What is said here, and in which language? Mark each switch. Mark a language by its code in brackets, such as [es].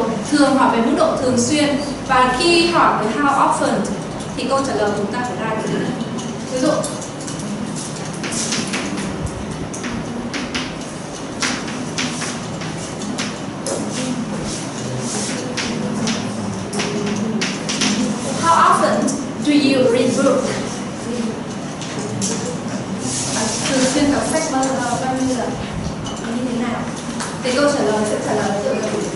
[vi] Thường hỏi về mức độ thường xuyên. Và khi hỏi về [en] how often [vi] thì câu trả lời chúng ta phải ra cái gì? [en] Ví dụ how often do you read book? [vi] Thường xuyên đọc sách bao nhiêu lần? Như thế nào? Thì câu trả lời sẽ trả lời như thế nào?